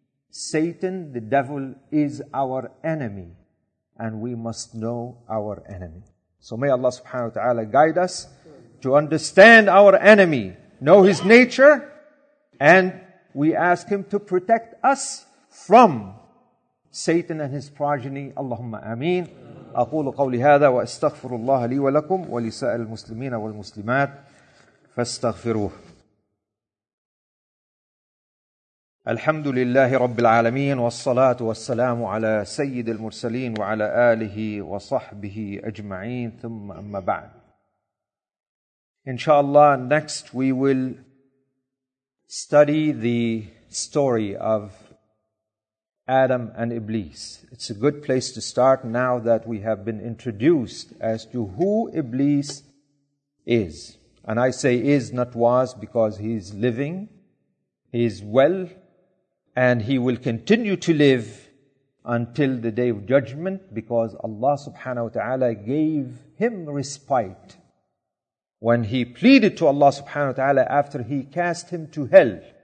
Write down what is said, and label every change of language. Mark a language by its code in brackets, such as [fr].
[en] Satan, the devil, is our enemy. And we must know our enemy. So may Allah subhanahu wa ta'ala guide us to understand our enemy, know his nature, and we ask him to protect us from Satan and his progeny. Allahumma ameen. [ar] أقول قولي هذا وأستغفر الله لي ولكم ولسائر المسلمين والمسلمات فاستغفروه. الحمد لله رب العالمين والصلاة والسلام على سيد المرسلين وعلى آله وصحبه أجمعين ثم أما بعد إن شاء الله [en] next we will study the story of Adam and Iblis. It's a good place to start now that we have been introduced as to who Iblis is. And I say is, not was, because he is living, he is well, and he will continue to live until the day of judgment because Allah subhanahu wa ta'ala gave him respite when he pleaded to Allah subhanahu wa ta'ala after he cast him to hell.